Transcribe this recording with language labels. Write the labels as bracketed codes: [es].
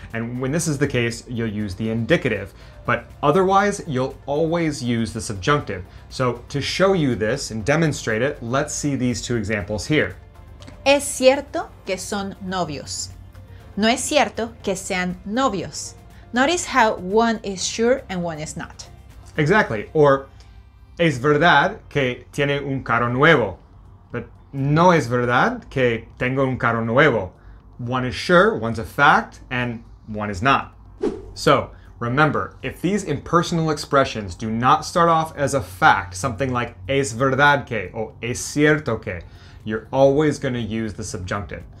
[en] And when this is the case, you'll use the indicative. But otherwise, you'll always use the subjunctive. So to show you this and demonstrate it, let's see these two examples here. [es] Es cierto que son novios. No es cierto que sean novios. [en] Notice how one is sure and one is not. Exactly. [es] Or, es verdad que tiene un carro nuevo. But no es verdad que tengo un carro nuevo. [en] One is sure, one's a fact, and one is not. So, remember, if these impersonal expressions do not start off as a fact, something like [es] es verdad que [en] or [es] es cierto que, [en] you're always going to use the subjunctive.